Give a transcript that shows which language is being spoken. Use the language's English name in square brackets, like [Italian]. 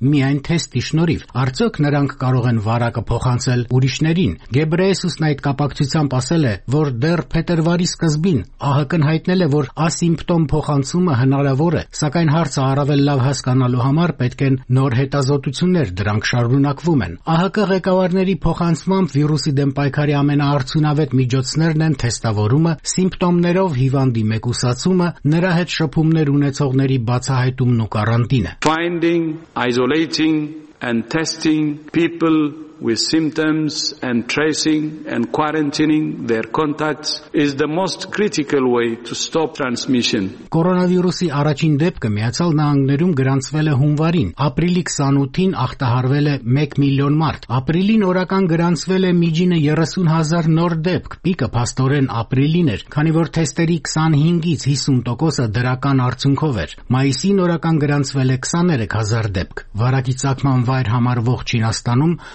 [Armenian] միայն թեստի շնորհիվ։ Արդյոք նրանք կարող են վարակը փոխանցել ուրիշներին։ Գեբրեյեսուսն այդ կապակցությամբ ասել է, որ դեռ փետրվարի սկզբին ԱՀԿ-ն հայտնել է, որ ասիմպտոմ փոխանցումը հնարավոր է, սակայն հարցը առավել լավ հասկանալու համար պետք են նոր հետազոտություններ, դրանք շարունակվում են։ ԱՀԿ ղեկավարների փոխանցումը վիրուսի դեմ պայքարի ամենաարդյունավետ միջոցներն են թեստավորումը, սիմպտոմներով հիվանդի մեկուսացումը, նրա հետ շփումներ ունեցողների բացահայտումն ու կարանտինը։ [English] Finding, isolating and testing people with symptoms and tracing and quarantining their contacts is the most critical way to stop transmission. [Armenian] Կորոնավիրուսի առաջին դեպքը Միացյալ Նահանգներում գրանցվել է հունվարին, ապրիլի 28-ին ախտահարվել է 1 միլիոն մարդ, ապրիլին օրական գրանցվել է միջինը 30,000 նոր դեպք, պիկը փաստորեն ապրիլին էր, քանի որ թեստերի 25-ից 50%-ը դրական արդյունքով էր, մայիսին օրական գրանցվել է 23,000 դեպք։ Վարակի ցակման վայր համարվող Չինաստանում